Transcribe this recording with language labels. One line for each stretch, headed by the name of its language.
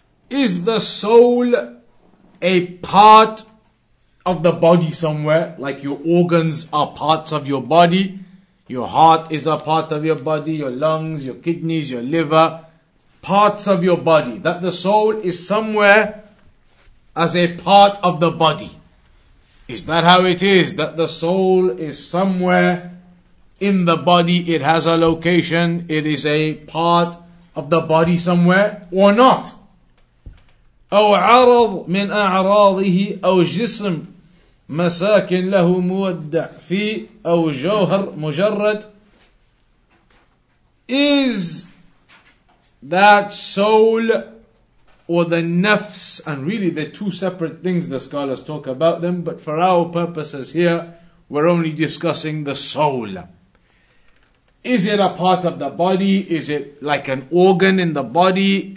English: Is the soul a part of the body somewhere, like your organs are parts of your body, your heart is a part of your body, your lungs, your kidneys, your liver, parts of your body, that the soul is somewhere as a part of the body. Is that how it is, that the soul is somewhere in the body, it has a location, it is a part of the body somewhere, or not?
Arabic: أو عرض من أعراضه أو جسم مساكن له مودع فيه أو جوهر مجرد.
English: Is that soul or the nafs, and really they're two separate things, the scholars talk about them, but for our purposes here we're only discussing the soul. Is it a part of the body? Is it like an organ in the body?